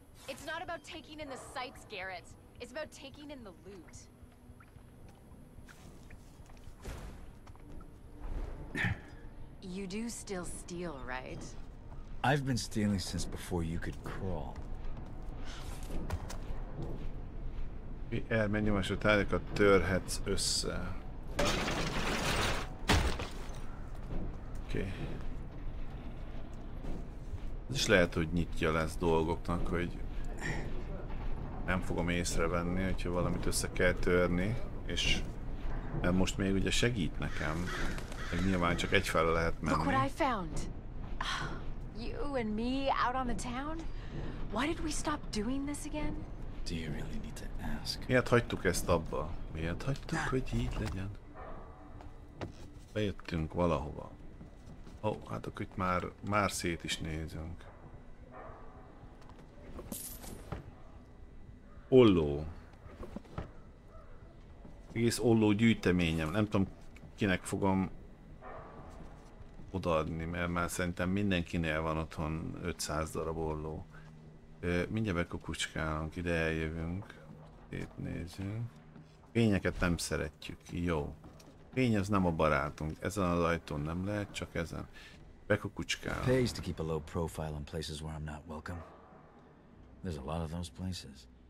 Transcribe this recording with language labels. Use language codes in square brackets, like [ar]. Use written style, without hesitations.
[en] It's not about taking in the sights, Garrett. It's about taking in the loot. You do still steal, right? I've been stealing since before you could crawl. [hu] Elmenni most a tárgyakat törhetsz össze. Oké. Ez is lehet, hogy nyitja lesz dolgoknak, hogy nem fogom észrevenni, hogyha valamit össze kell törni, és mert most még ugye segít nekem, meg nyilván csak egyfelől lehet menni. [en] Look what I found. You and me out on the town? Why did we stop doing this again? Do you really need to ask? [hu] Miért hagytuk ezt abba? Miért hagytuk, hogy így legyen? Bejöttünk valahova. Ó, oh, hát akkor itt már szét is nézünk. Olló. Egész olló gyűjteményem. Nem tudom, kinek fogom odaadni, mert már szerintem mindenkinél van otthon 500 darab olló. Mindjárt bekukucskálunk, ide eljövünk. Itt nézünk. Fényeket nem szeretjük. Jó. Fény az nem a barátunk. Ezen az ajtón nem lehet, csak ezen. Bekukucskálunk. [en] Pays to keep a low profile in places where I'm not welcome. There's a lot of those places.